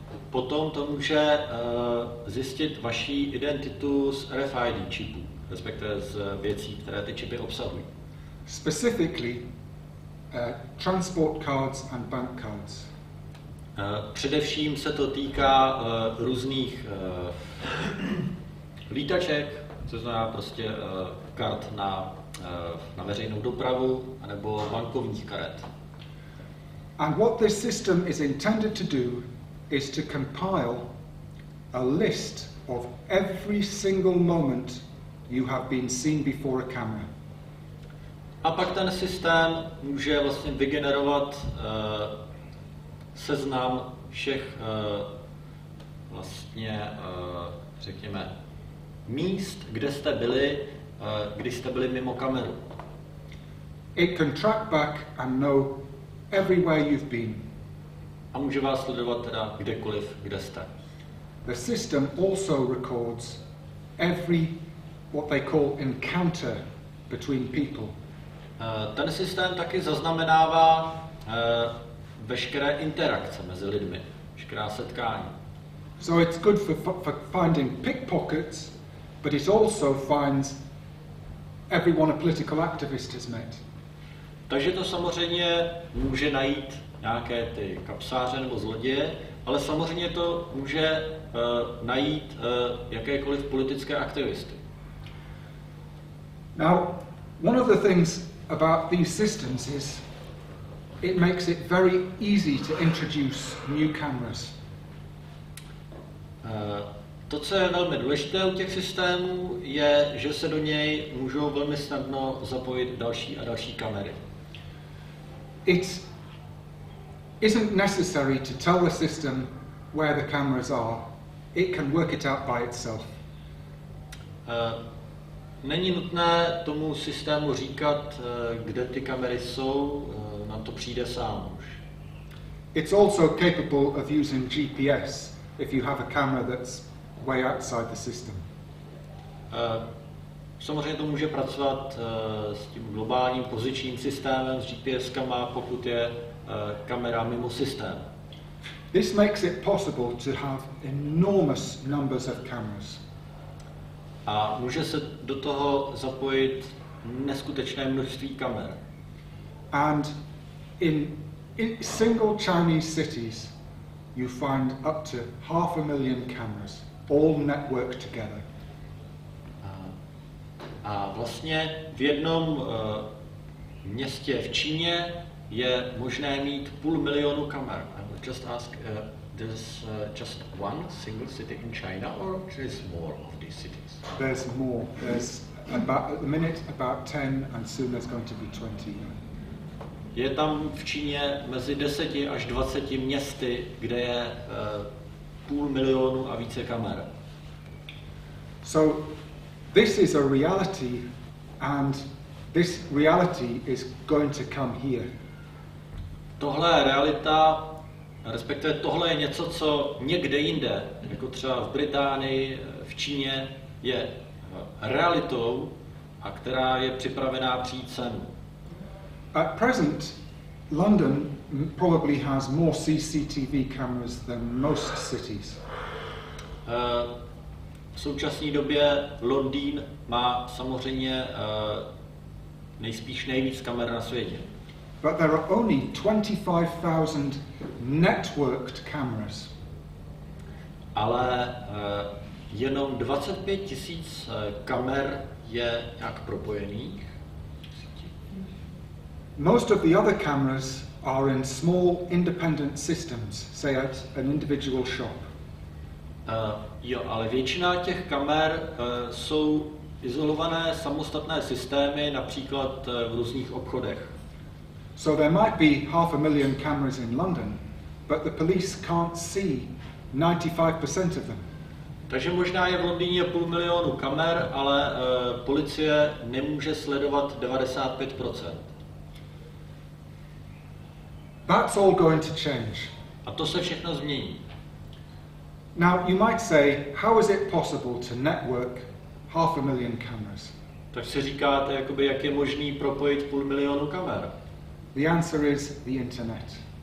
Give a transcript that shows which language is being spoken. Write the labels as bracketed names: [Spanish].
[Czech] Potom to může zjistit vaši identitu z RFID čipů, respektive z věcí, které ty čipy obsahují. [English] Specifically, transport cards and bank cards. [Czech] Především se to týká různých lítaček, což znamená prostě kart na, na veřejnou dopravu, anebo bankovních karet. [English] And what this system is intended to do is to compile a list of every single moment you have been seen before a camera. [Czech] A pak ten systém může vlastně vygenerovat seznam všech vlastně řekněme míst, kde jste byli, když jste byli mimo kameru. [English] It can track back and know everywhere you've been. [Czech] A může vás sledovat teda kdekoliv, kde jste. [English] The system also records every what they call encounter between people. [Czech] Ten systém taky zaznamenává veškeré interakce mezi lidmi, veškerá setkání. [English] So it's good for finding pickpockets, but it also finds everyone a political activist has met. [Czech] Takže to samozřejmě může najít nějaké ty kapsáře nebo zloděje, ale samozřejmě to může najít jakékoliv politické aktivisty. [English] Now, one of the things about these systems is it makes it very easy to introduce new cameras. [Czech] To, co je velmi důležité u těch systémů, je, že se do něj můžou velmi snadno zapojit další a další kamery. [English] It isn't necessary to tell the system where the cameras are. It can work it out by itself. [Czech] Není nutné tomu systému říkat, kde ty kamery jsou, na to přijde sám už. [English] It's also capable of using GPS if you have a camera that's way outside the system. [Czech] Samozřejmě to může pracovat s tím globálním pozičním systémem, s GPS-kama, pokud je kamera mimo systém. [English] This makes it possible to have enormous numbers of cameras. [Czech] A může se do toho zapojit neskutečné množství kamer. [English] And in single Chinese cities you find up to 500,000 cameras all networked together. [Czech] A vlastně v jednom městě v Číně je možné mít 500,000 kamer. [English] I will just ask, there's just one single city in China, or there's more of these cities? There's more. There's about, at the minute about 10, and soon there's going to be 20. [Czech] Je tam v Číně mezi 10 až 20 městy, kde je 500,000 a více kamer. [English] So this is a reality, and this reality is going to come here. [Czech] Tohle je realita, respektive tohle je něco, co někde jinde, jako třeba v Británii, v Číně, je realitou a která je připravená přijít sem. [English] At present, London probably has more CCTV cameras than most cities. [Czech] V současné době Londýn má samozřejmě nejspíš nejvíc kamer na světě. [English] But there are only 25,000 networked cameras. [Czech] Ale jenom 25,000 kamer je jak propojených. [English] Most of the other cameras are in small independent systems, say at an individual shop. [Czech] Jo, ale většina těch kamer jsou izolované samostatné systémy, například v různých obchodech. [English] So there might be 500,000 cameras in London, but the police can't see 95% of them. [Czech] Takže možná je v Londýně 500 000 kamer, ale policie nemůže sledovat 95%. [English] That's all going to change. [Czech] A to se všechno změní. [English] Now you might say, how is it possible to network 500 000 cameras? [Czech] Tak si říkáte, jakoby, jak je možný propojit 500 000 kamer? [English] The answer is the internet.